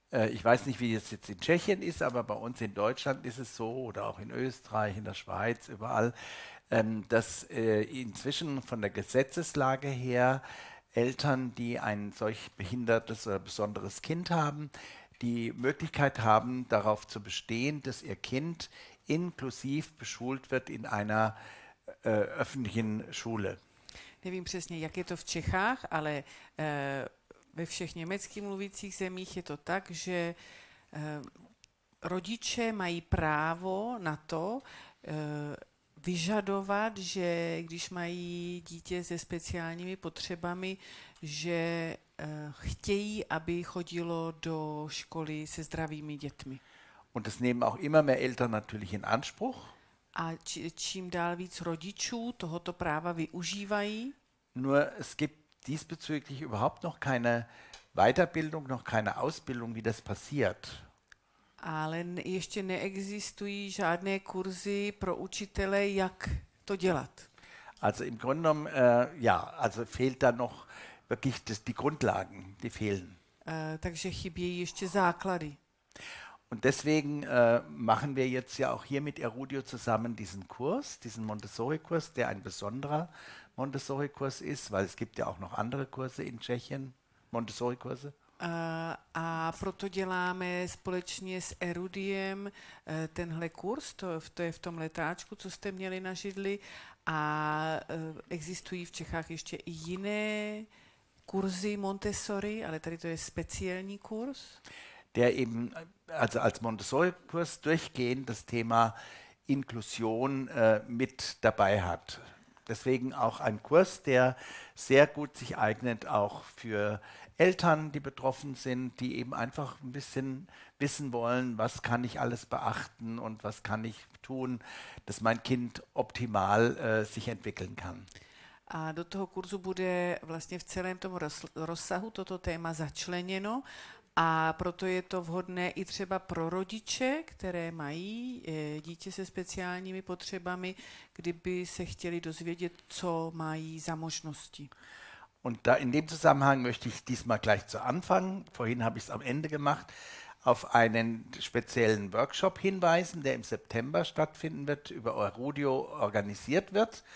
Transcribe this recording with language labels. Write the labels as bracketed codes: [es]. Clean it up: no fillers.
[de] Ich weiß nicht, wie es jetzt in Tschechien ist, aber bei uns in Deutschland ist es so, oder auch in Österreich, in der Schweiz, überall, dass inzwischen von der Gesetzeslage her Eltern, die ein solch behindertes oder besonderes Kind haben, die Möglichkeit haben, darauf zu bestehen, dass ihr Kind inklusiv beschult wird in einer öffentlichen Schule. [cs] Nevím přesně, jak je to v Čechách, ale ve všech německy mluvících zemích je to tak, že rodiče mají právo na to vyžadovat, že když mají dítě se speciálními potřebami, že chtějí, aby chodilo do školy se zdravými dětmi. [de] Und das nehmen auch immer mehr Eltern natürlich in Anspruch. [cs] A čím dál víc rodičů tohoto práva využívají. [de] Nur es gibt diesbezüglich überhaupt noch keine Weiterbildung, noch keine Ausbildung, wie das passiert. [cs] Ale ještě neexistují žádné kurzy pro učitele, jak to dělat. [de] Also im Grunde genommen, ja, also fehlt da noch wirklich die Grundlagen, die fehlen. [cs] Takže chybějí ještě základy. [de] Und deswegen machen wir jetzt ja auch hier mit Erudio zusammen diesen Kurs, diesen Montessori-Kurs, der ein besonderer Montessori-Kurs ist, weil es gibt ja auch noch andere Kurse in Tschechien, Montessori-Kurse. [cs] A proto děláme společně s Erudiem tenhle kurz, to je v tom letáčku, co jste měli na židli, a existují v Čechách ještě i jiné kurzy Montessori, ale tady to je speciální kurz. [de] Der eben, also als Montessori-Kurs durchgehend das Thema Inklusion mit dabei hat. Deswegen auch ein Kurs, der sehr gut sich eignet, auch für Eltern, die betroffen sind, die eben einfach ein bisschen wissen wollen, was kann ich alles beachten und was kann ich tun, dass mein Kind optimal sich entwickeln kann. [cs] A do toho kurzu bude vlastně v celém tom rozsahu toto téma začleněno. A proto je to vhodné i třeba pro rodiče, které mají dítě se speciálními potřebami, kdyby se chtěli dozvědět, co mají za možnosti. [de] Und da in dem Zusammenhang möchte ich diesmal gleich zu Anfang, vorhin habe ich es am Ende gemacht, auf einen speziellen Workshop hinweisen, der im September stattfinden wird, über Erudio organisiert wird.